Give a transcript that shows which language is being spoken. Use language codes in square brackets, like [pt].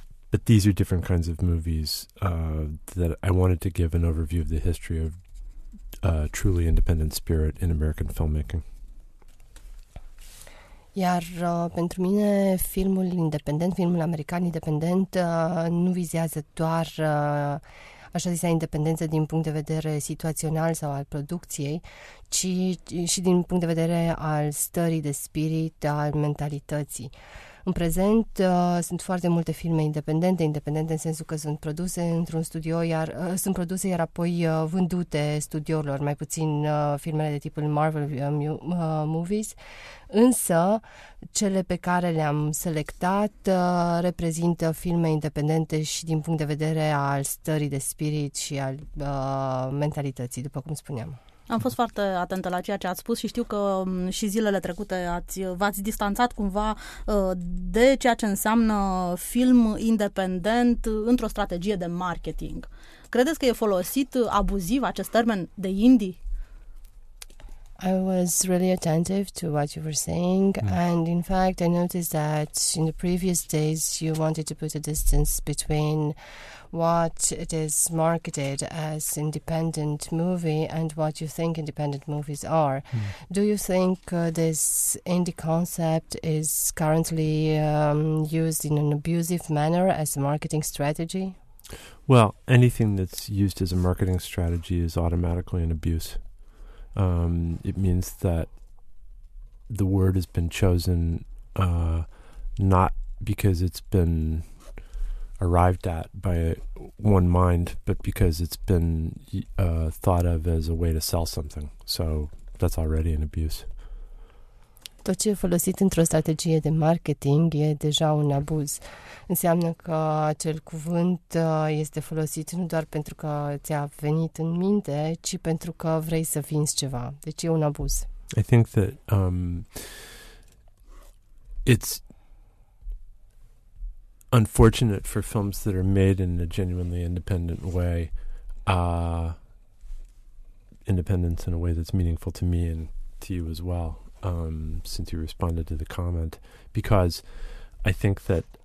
[en] But these are different kinds of movies that I wanted to give an overview of the history of truly independent spirit in American filmmaking. [ro] Iar pentru mine filmul independent, filmul american independent nu vizează doar așa zisa independență din punct de vedere situațional sau al producției, ci și din punct de vedere al stării de spirit, al mentalității. În prezent sunt foarte multe filme independente în sensul că sunt produse într-un studio, iar sunt produse iar apoi vândute studiourilor, mai puțin filmele de tipul Marvel movies, însă cele pe care le-am selectat reprezintă filme independente și din punct de vedere al stării de spirit și al mentalității, după cum spuneam. Am fost foarte atentă la ceea ce ați spus și știu că și zilele trecute v-ați distanțat cumva de ceea ce înseamnă film independent într-o strategie de marketing. Credeți că e folosit abuziv acest termen de indie? [en] I was really attentive to what you were saying, and in fact I noticed that in the previous days you wanted to put a distance between what it is marketed as independent movie and what you think independent movies are. Mm. Do you think this indie concept is currently used in an abusive manner as a marketing strategy? Well, anything that's used as a marketing strategy is automatically an abuse. It means that the word has been chosen not because it's been arrived at by one mind, but because it's been thought of as a way to sell something. So that's already an abuse. [ro] Tot ce e folosit într-o strategie de marketing e deja un abuz. Înseamnă că acel cuvânt este folosit nu doar pentru că ți-a venit în minte, ci pentru că vrei să vinzi ceva. Deci e un abuz. [en] I think that it's unfortunate for films that are made in a genuinely independent way, independence in a way that's meaningful to me and to you as well, since you responded to the comment, because I think that